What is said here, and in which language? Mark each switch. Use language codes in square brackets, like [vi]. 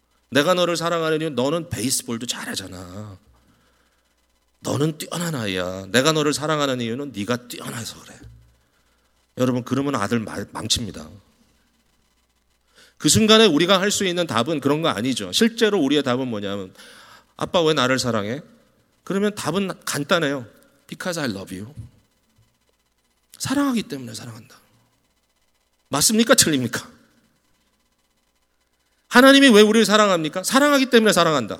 [ko] 내가 너를 사랑하는 이유는 너는 베이스볼도 잘하잖아. 너는 뛰어난 아이야. 내가 너를 사랑하는 이유는 네가 뛰어나서 그래. 여러분 그러면 아들 망칩니다. 그 순간에 우리가 할 수 있는 답은 그런 거 아니죠. 실제로 우리의 답은 뭐냐면 아빠 왜 나를 사랑해? 그러면 답은 간단해요. [en] Because I love you. [ko] 사랑하기 때문에 사랑한다. 맞습니까? 틀립니까? 하나님이 왜 우리를 사랑합니까? 사랑하기 때문에 사랑한다.